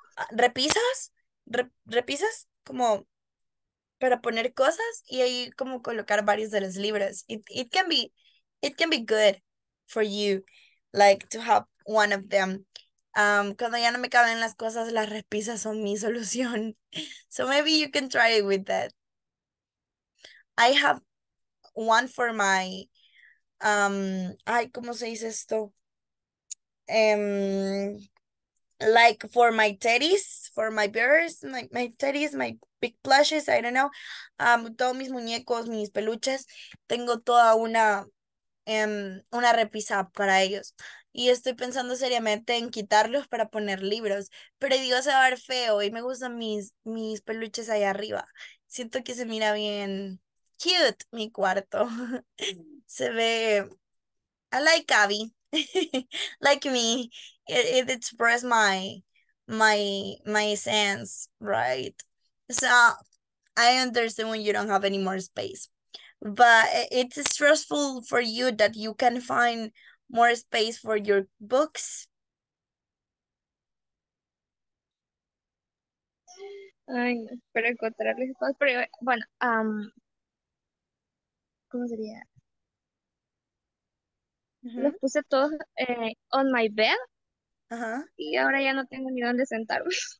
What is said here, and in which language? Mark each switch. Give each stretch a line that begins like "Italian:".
Spanish: Repisas, repisas como para poner cosas y ahí como colocar varios de los libros.
English: It can be good for you, like to have one of them.
Spanish: Cuando ya no me caben las cosas, las repisas son mi solución.
English: So maybe you can try it with that. I have one for my,
Spanish: ¿cómo se dice esto?
English: Like for my teddies, for my bears, my teddies, my big plushes, I don't know.
Spanish: Todos mis muñecos, mis peluches, tengo toda una repisa para ellos. Y estoy pensando seriamente en quitarlos para poner libros. Pero digo, se va a ver feo y me gustan mis peluches ahí arriba. Siento que se mira bien cute mi cuarto. Se ve...
English: I like Abby. Like me. It express my sense, right? So, I understand when you don't have any more space. But it's stressful for you that you can find more space for your books.
Spanish: Ay, espero encontrarles cosas, pero bueno, ¿cómo sería? Los puse todos
English: on my bed
Spanish: y ahora ya no tengo ni dónde sentarme.